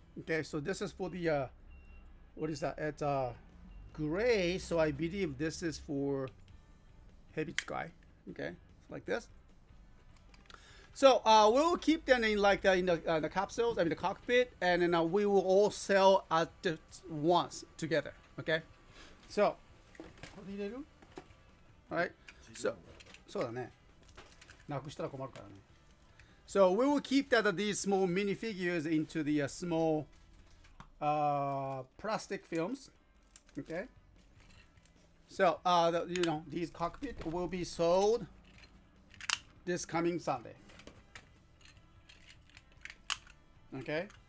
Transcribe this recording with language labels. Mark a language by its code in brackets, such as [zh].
[en] Okay, so this is for the, what is that? It's gray, so I believe this is for Heavy Sky. Okay, like this. So we'll keep them in like that in the capsules, I mean the cockpit, and then we will all sell at once together, okay? So, all right. [ja] So, そうだね。なくしたら困るからね。 [en] So we will keep that these small minifigures into the small plastic films, okay? So, you know, these cockpit will be sold this coming Sunday, okay?